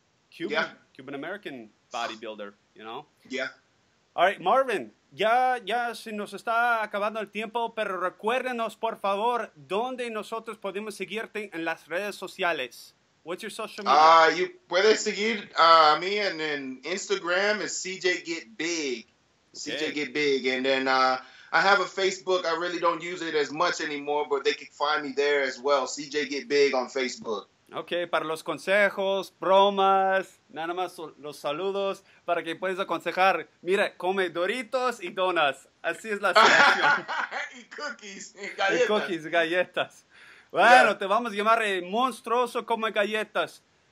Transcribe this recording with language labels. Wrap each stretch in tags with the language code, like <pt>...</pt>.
<en>Cuban-American bodybuilder. You know? Yeah.</en> <es>All right, Marvin, ya se nos está acabando el tiempo, pero recuérdenos, por favor, dónde nosotros podemos seguirte en las redes sociales.</es> <en>What's your social media?</en> <es>You puedes seguir a mí en Instagram, es CJ Get Big.</es> <en>Okay. CJ Get Big. And then I have a Facebook. I really don't use it as much anymore, but they can find me there as well. CJ Get Big on Facebook.</en> <es>Okay, para los consejos, bromas, nada más los saludos, para que puedas aconsejar, mira, come Doritos y donas, así es la situación. Y cookies, y galletas. Y cookies, galletas. Bueno, yeah. Te vamos a llamar monstruoso come galletas.</es>